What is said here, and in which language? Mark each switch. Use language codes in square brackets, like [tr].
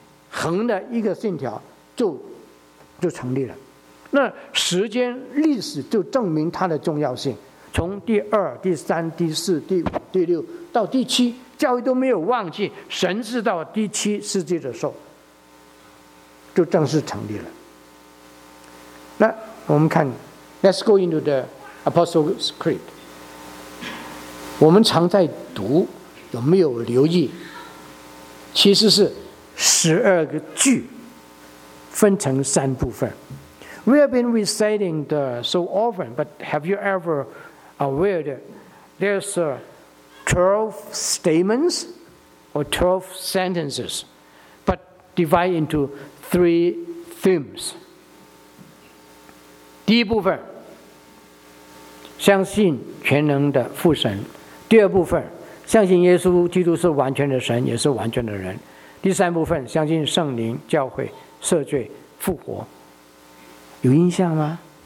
[zh] 衡的一个信条就成立了。那时间历史就证明它的重要性，从第二、第三、第四、第五、第六到第七，教会都没有忘记，神是到第七世纪的时候就正式成立了。那我们看， [en] Let's go into the Apostles' Creed. [zh] 我们常在读, 有没有留意，其实是十二个句分成三部分。 [en] We have been reciting the so often, but have you ever aware that there's 12 statements or 12 sentences, but divide into three themes? [zh] 第一部分，相信全能的父神。第二部分，相信耶稣基督是完全的神，也是完全的人。第三部分，相信圣灵、教会、赦罪、复活。有印象吗？